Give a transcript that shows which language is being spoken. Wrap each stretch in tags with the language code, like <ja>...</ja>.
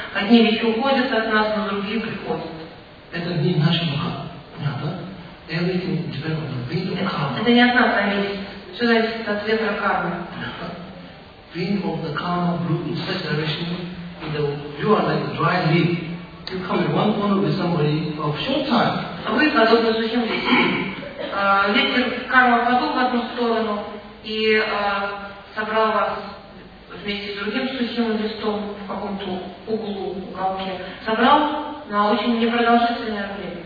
<ru>Одни вещи уходят от нас, но другие приходят. Это не наша маха. Понятно?</ru> <en>Everything depends on the wind of karma.</en> <ru>Это не от нас зависит. Все зависит от ветра кармы.</ru> <en>Wind of the karma blew in such direction, you are like a dry leaf. You come in one corner with somebody of short time.</en> <ru>Вы подобны сухим листьям. Ветер кармы подул в одну сторону и собрал вас вместе с другим сухим листом в каком-то углу, уголке, собрал на очень непродолжительное</ru>